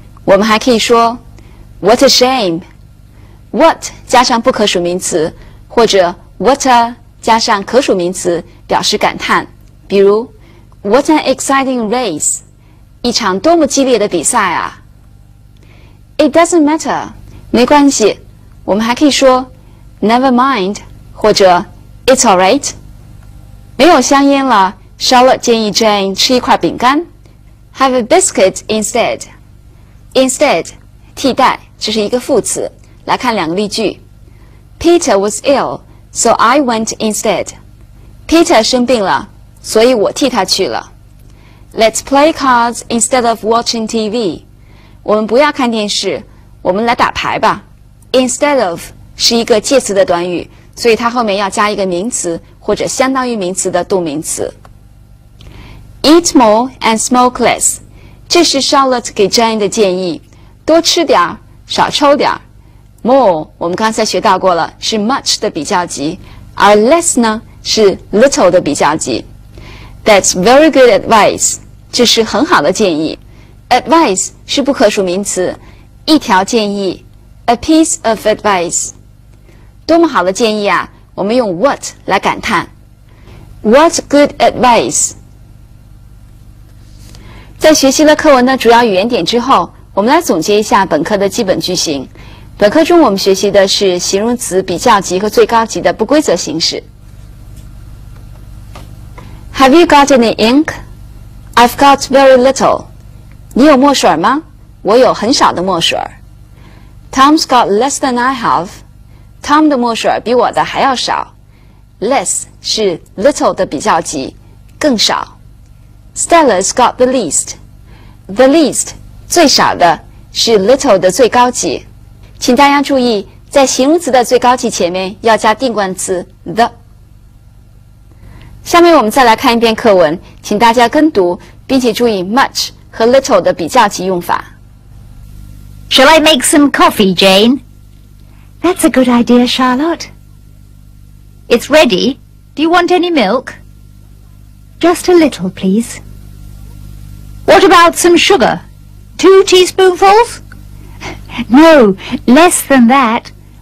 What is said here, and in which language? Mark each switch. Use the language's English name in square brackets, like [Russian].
[Chinese] 我们还可以说 ， [English] What a shame！ [Chinese] What 加上不可数名词，或者 What a 加上可数名词，表示感叹。比如 ， [English] What an exciting race！ [Chinese] 一场多么激烈的比赛啊 ！ [English] It doesn't matter， [Chinese] 没关系。我们还可以说 ， [English] Never mind。 [Chinese] 或者 [English] ，It's all right。 [Chinese] 没有香烟了 ，Charlotte 建议 Jane 吃一块饼干 ， [English] Have a biscuit instead。 [Chinese] Instead， 替代，这是一个副词。来看两个例句 [English] ：Peter was ill， so I went instead。 [Chinese] Peter 生病了，所以我替他去了。 [English] Let's play cards instead of watching TV。 [Chinese] 我们不要看电视，我们来打牌吧。Instead of 是一个介词的短语。所以它后面要加一个名词或者相当于名词的动名词。 [English] Eat more and smoke less， [Chinese] 这是 Charlotte 给 Jane 的建议，多吃点少抽点。 More 我们刚才学到过了，是 much 的比较级，而 less 呢是 little 的比较级。 [English] That's very good advice， [Chinese] 这是很好的建议。 Advice 是不可数名词，一条建议 ， [English] a piece of advice。 [Chinese] 多么好的建议啊！我们用 what 来感叹。 [English] What good advice！ [Chinese] 在学习了课文的主要语言点之后，我们来总结一下本课的基本句型。本课中我们学习的是形容词比较级和最高级的不规则形式。 [English] Have you got any ink? I've got very little. [Chinese] 你有墨水吗？我有很少的墨水。 [English] Tom's got less than I have. [Chinese] Tom 的墨水比我的还要少。Less 是 little 的比较级，更少。 [English] Stella's got the least. [Chinese] The least 最少的是 little 的最高级。请大家注意，在形容词的最高级前面要加定冠词 the。下面我们再来看一遍课文，请大家跟读，并且注意 much 和 little 的比较级用法。 [English] Shall I make some coffee, Jane? That's a good idea, Charlotte. It's ready. Do you want any milk? Just a little, please. What about some sugar? 2 teaspoonfuls? No, less than that.